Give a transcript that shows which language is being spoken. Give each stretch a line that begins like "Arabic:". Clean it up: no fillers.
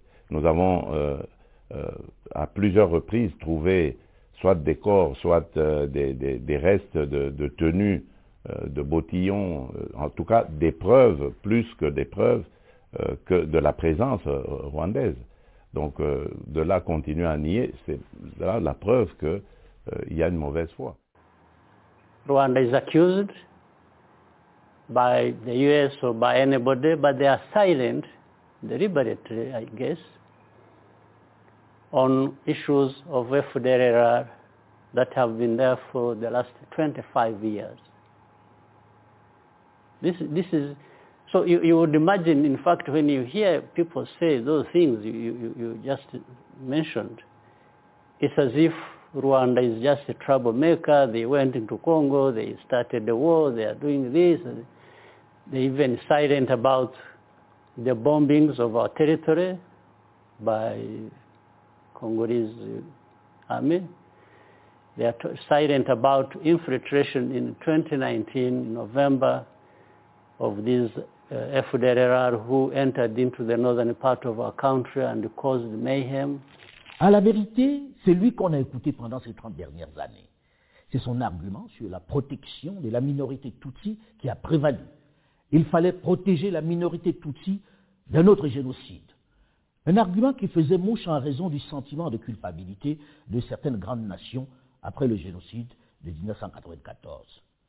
French: Nous avons à plusieurs reprises trouvé soit des corps, soit des restes de tenues, de bottillons, en tout cas des preuves, plus que des preuves, que de la présence rwandaise. Donc de là continuer à nier, c'est là la preuve qu'il y a une mauvaise foi.
English: Rwanda is accused by the US or by anybody, but they are silent, deliberately, I guess, on issues of FDLR that have been there for the last 25 years. This is, so you would imagine, in fact, when you hear people say those things you just mentioned, it's as if Rwanda is just a troublemaker, they went into Congo, they started the war, they are doing this, they're even silent about the bombings of our territory by Congolese army. They are silent about infiltration in 2019, November, of these FDLR who entered into the northern part of our country and caused mayhem.
French: À la vérité, c'est lui qu'on a écouté pendant ces 30 dernières années. C'est son argument sur la protection de la minorité Tutsi qui a prévalu. Il fallait protéger la minorité Tutsi d'un autre génocide. Un argument qui faisait mouche en raison du sentiment de culpabilité de certaines grandes nations après le génocide de 1994.